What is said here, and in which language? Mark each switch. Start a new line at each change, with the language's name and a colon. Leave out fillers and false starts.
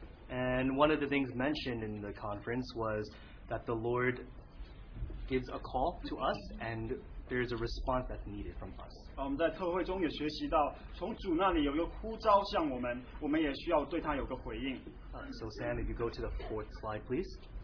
English: And one of the things mentioned in the conference was that the Lord gives a call to us, and there is a response that's needed from us.
Chinese: 我们在特会中也学习到，从主那里有一个呼召向我们，我们也需要对他有个回应。
English: So Sam, if you go to the fourth slide, please.